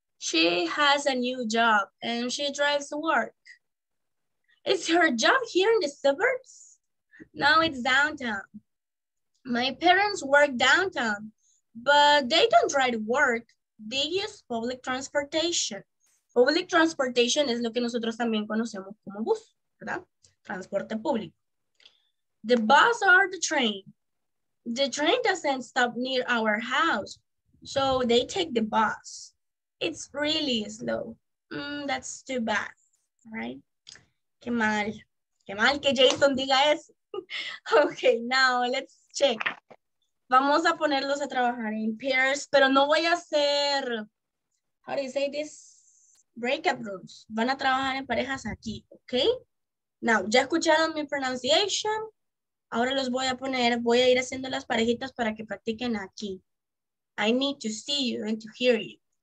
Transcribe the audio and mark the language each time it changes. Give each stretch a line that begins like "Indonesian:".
English: She has a new job and she drives to work. Is her job here in the suburbs? No, it's downtown. My parents work downtown, but they don't drive to work. They use public transportation.
Spanish: Public transportation es lo que nosotros también conocemos como bus, ¿verdad? Transporte público.
English: The bus or the train. The train doesn't stop near our house, so they take the bus. It's really slow. That's too bad, right?
Spanish: Qué mal. Qué mal que Jason diga eso.
English: Okay, now let's check.
Spanish: Vamos a ponerlos a trabajar en pairs, pero no voy a hacer,
English: how do you say this? Breakup rooms.
Spanish: Van a trabajar en parejas aquí, okay? Now, ya escucharon mi pronunciation. Ahora los voy a poner, voy a ir haciendo las parejitas para que practiquen aquí.
English: I need to see you and to hear you.